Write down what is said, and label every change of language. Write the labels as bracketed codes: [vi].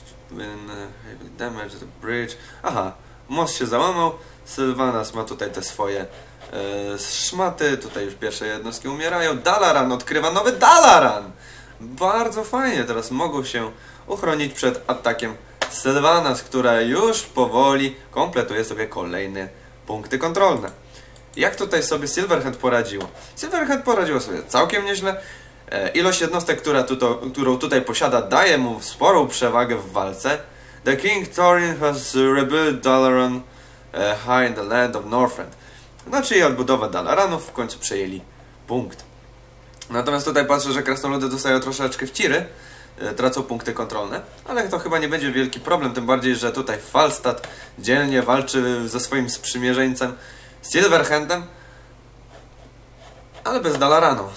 [en] Been heavy damage to the bridge. [pl] Aha, most się załamał. Sylvanas ma tutaj te swoje szmaty. Tutaj już pierwsze jednostki umierają. Dalaran odkrywa nowy Dalaran. Bardzo fajnie. Teraz mogą się uchronić przed atakiem Sylvanas, która już powoli kompletuje sobie kolejne punkty kontrolne. Jak tutaj sobie Silverhand poradziło? Silverhand poradziło sobie całkiem nieźle. Ilość jednostek, którą tutaj posiada, daje mu sporą przewagę w walce. [en] The King Thorin has rebuilt Dalaran high in the land of Northrend. [pl] Znaczy i odbudowa Dalaranów, w końcu przejęli punkt. Natomiast tutaj patrzę, że krasnoludy dostają troszeczkę w ciry, tracą punkty kontrolne, ale to chyba nie będzie wielki problem, tym bardziej, że tutaj Falstad dzielnie walczy ze swoim sprzymierzeńcem Silverhandem. Ale bez Dalaranu.